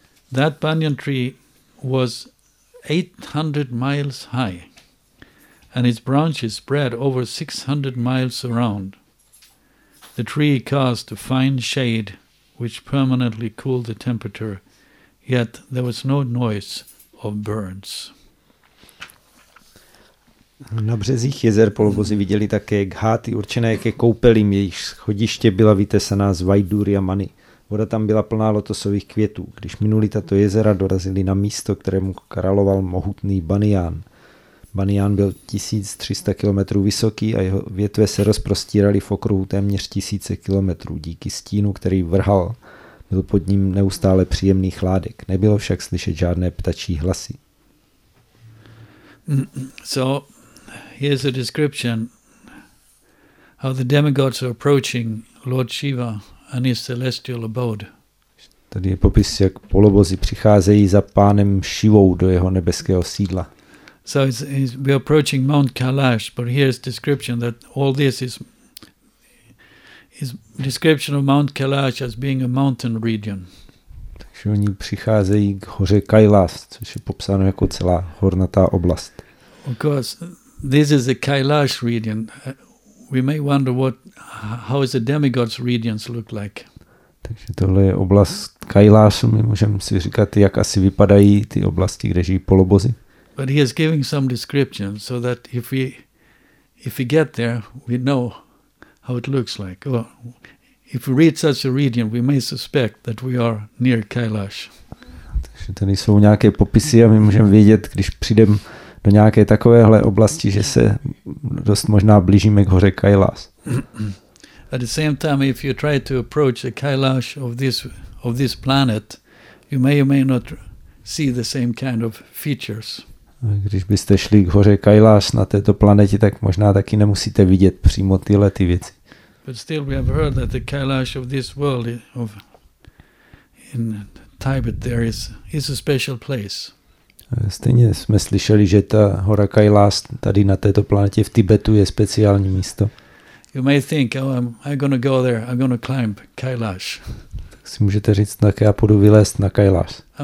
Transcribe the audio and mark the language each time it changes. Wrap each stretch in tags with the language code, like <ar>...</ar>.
<en>That banyan tree was 800 miles high, and its branches spread over 600 miles around. The tree cast a fine shade, which permanently cooled the temperature, yet there was no noise of birds.</en> <cs>Na březích jezer polobozy viděli také gháty určené ke koupelím, jejich schodiště byla vytesaná z Vaidúryamany. Voda tam byla plná lotosových květů. Když minuli tato jezera, dorazili na místo, kterému královal mohutný banián. Banián byl 1300 kilometrů vysoký a jeho větve se rozprostíraly v okruhu téměř 1000 kilometrů. Díky stínu, který vrhal, byl pod ním neustále příjemný chládek. Nebylo však slyšet žádné ptačí hlasy.</cs> <en>So, here's a description how the demigods are approaching Lord Shiva and his celestial abode.</en> <cs>Tady je popis, jak polobozy přicházejí za pánem Šivou do jeho nebeského sídla.</cs> <en>So we're approaching Mount Kailash, but here's description that all this is description of Mount Kailash as being a mountain region.</en> <cs>Takže oni přicházejí k hoře Kailash, což je popsáno jako celá hornatá oblast.</cs> <en>Of course, this is the Kailash region. We may wonder how is the demigods' regions look like.</en> <cs>Takže tohle je oblast Kailashu. My můžeme si říkat, jak asi vypadají ty oblasti, kde žijí polobozy.</cs> <en>But he is giving some description so that if we get there, we know how it looks like. Or if we read such a region, we may suspect that we are near Kailash.</en> <cs>Takže tady jsou nějaké popisy a my můžeme vědět, když přijdeme do nějaké takovéhle oblasti, že se dost možná blížíme k hoře Kailash.</cs> <en>At the same time, if you try to approach the Kailash of this planet, you may or may not see the same kind of features.</en> <cs>Když byste šli k hoře Kailash na této planetě, tak možná taky nemusíte vidět přímo tyhle ty věci.</cs> <en>But still we have heard that the Kailash of this world of in Tibet there is a special place.</en> <cs>Stejně jsme slyšeli, že ta hora Kailash tady na této planetě v Tibetu je speciální místo.</cs> <en>You may think, oh, I'm going to go there. I'm going to climb Kailash.</en> <cs>si můžete říct, tak já půjdu vylézt na Kailas.</cs>